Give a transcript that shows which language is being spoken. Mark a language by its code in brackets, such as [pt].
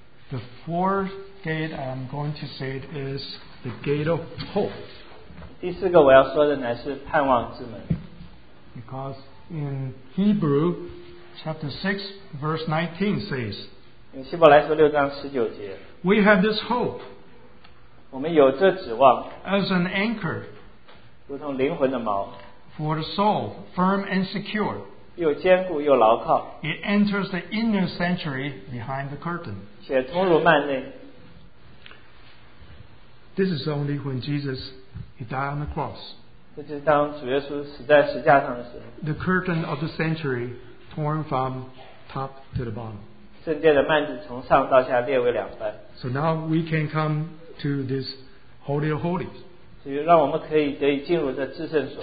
[en] The fourth gate I'm going to say is the gate of hope. [zh] 第四个我要说的乃是盼望之门。 [en] Because in Hebrew, Chapter 6, verse 19 says, [zh] 希伯来书6:19节, [en] we have this hope [zh] 我们有这指望, [en] as an anchor [zh] 如同灵魂的锚, [en] for the soul, firm and secure. [zh] 又坚固又牢靠, [en] it enters the inner sanctuary behind the curtain. [zh] 且通入幔内, [en] this is only when Jesus he died on the cross. [zh] 这就是当主耶稣死在十架上的时候, [en] the curtain of the sanctuary torn from top to the bottom. [zh] 圣殿的幔子从上到下裂为两半。 [en] So now we can come to this Holy of Holies. [zh] 所以让我们可以进入这至圣所。